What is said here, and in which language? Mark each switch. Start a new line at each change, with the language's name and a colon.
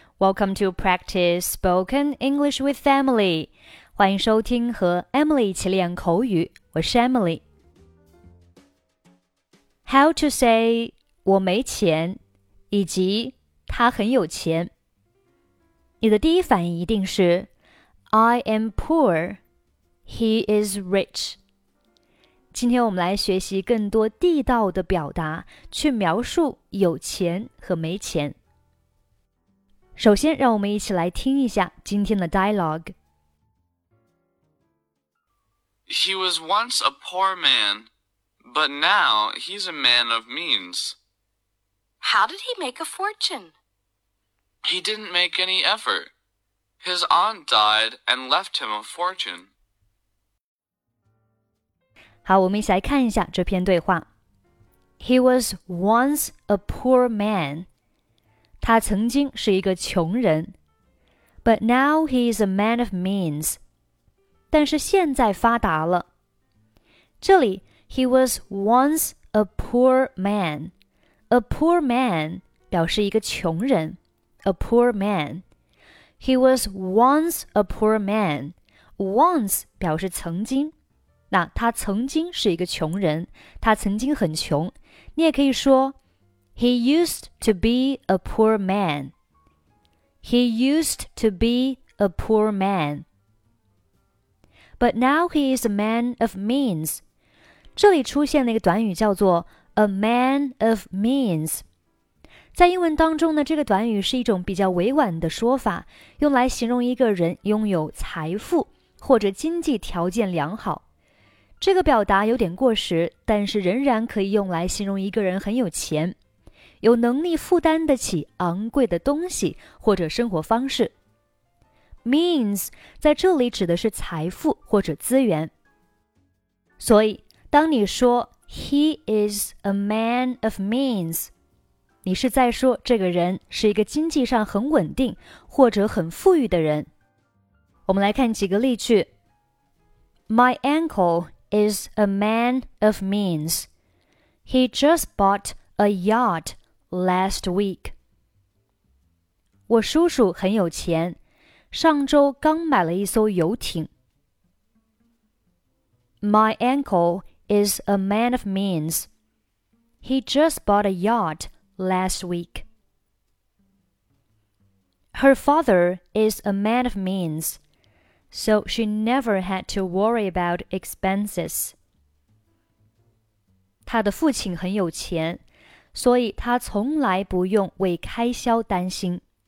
English: Welcome to Practice Spoken English with Emily.
Chinese: 欢迎收听和 Emily 一起练口语。我是 Emily.
English: How to say
Chinese: 我没钱以及他很有钱。你的第一反应一定是
English: I am poor, he is rich.
Chinese: 今天我们来学习更多地道的表达去描述有钱和没钱。首先让我们一起来听一下今天的 dialogue.
English: He was once a poor man, but now he's a man of means. How did he make a fortune? He didn't make any effort. His aunt died and left him a fortune.
Chinese: 好，我们一起来看一下这篇对话。
English: He was once a poor man.
Chinese: 他曾经是一个穷人
English: But now he is a man of means.
Chinese: 但是现在发达了。这里
English: he was once a poor man. A poor man
Chinese: 表示一个穷人
English: A poor man. He was once a poor man. Once
Chinese: 表示曾经。那他曾经是一个穷人他曾经很穷。你也可以说
English: He used to be a poor man. He used to be a poor man. But now he is a man of means.
Chinese: 这里出现了一个短语叫做
English: a man of means.
Chinese: 在英文当中呢，这个短语是一种比较委婉的说法，用来形容一个人拥有财富或者经济条件良好。这个表达有点过时，但是仍然可以用来形容一个人很有钱。有能力负担得起昂贵的东西或者生活方式。 Means 在这里指的是财富或者资源。所以当你说
English: He is a man of means,
Chinese: 你是在说这个人是一个经济上很稳定或者很富裕的人。我们来看几个例句。
English: My uncle is a man of means. He just bought a yacht. Last week.
Chinese: 我叔叔很有钱，上周刚买了一艘游艇。
English: My uncle is a man of means. He just bought a yacht last week. Her father is a man of means, so she never had to worry about expenses.
Chinese: 他的父亲很有钱。所以他从来不用为开销担心。